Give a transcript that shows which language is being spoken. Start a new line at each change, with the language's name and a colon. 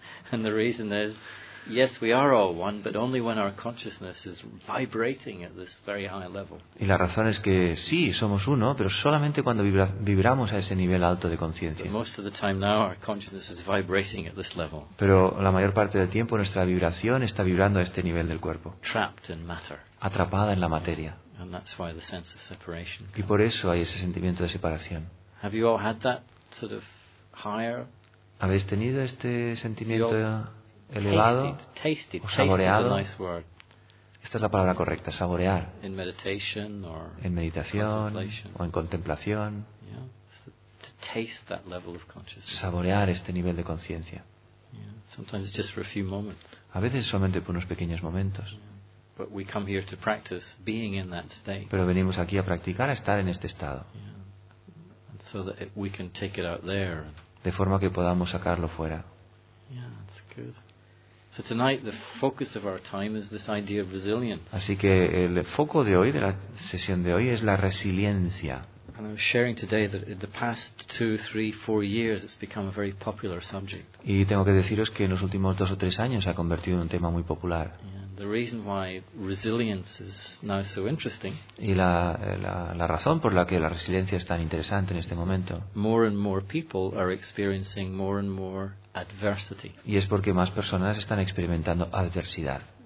English: And the reason is, yes, we are all one, but only when our consciousness is vibrating at this very high level.
Spanish: Y la razón es que sí, somos uno, pero solamente cuando vibramos a ese nivel alto de conciencia.
English: Most of the time now, our consciousness is vibrating at this level.
Spanish: Pero la mayor parte del tiempo nuestra vibración está vibrando a este nivel del cuerpo.
English: Trapped in matter.
Spanish: Atrapada en la materia.
English: And that's why the sense of separation.
Spanish: Y por eso hay ese sentimiento de separación.
English: Have you all had that sort of higher?
Spanish: ¿Habéis tenido este sentimiento elevado?
English: Tasted,
Spanish: o saboreado.
English: Tasted is a nice word.
Spanish: Esta es la palabra correcta, saborear.
English: In meditation or
Spanish: en meditación o en contemplación.
English: Yeah. So to taste that level of consciousness.
Spanish: Saborear este nivel de conciencia.
English: Yeah. Sometimes it's just for a few moments.
Spanish: A veces solamente por unos pequeños momentos. Yeah.
English: But we come here to practice being in that state.
Spanish: Pero venimos aquí a practicar, a estar en este estado.
English: Yeah. So that we can take it out there.
Spanish: De forma que podamos sacarlo fuera.
English: Yeah, that's good. So tonight the focus of our time is this idea of resilience.
Spanish: Así que el foco de hoy, de la sesión de hoy, es la resiliencia.
English: And I was sharing today that in the past 2, 3, 4 years it's become a very popular subject.
Spanish: Y tengo que deciros que en los últimos 2 o 3 años se ha convertido en un tema muy popular.
English: Yeah. The reason why resilience is now so interesting.
Spanish: Y la razón por la que la resiliencia es tan interesante en este momento.
English: More and more people are experiencing more and more adversity.
Spanish: Y es porque más personas están experimentando adversidad.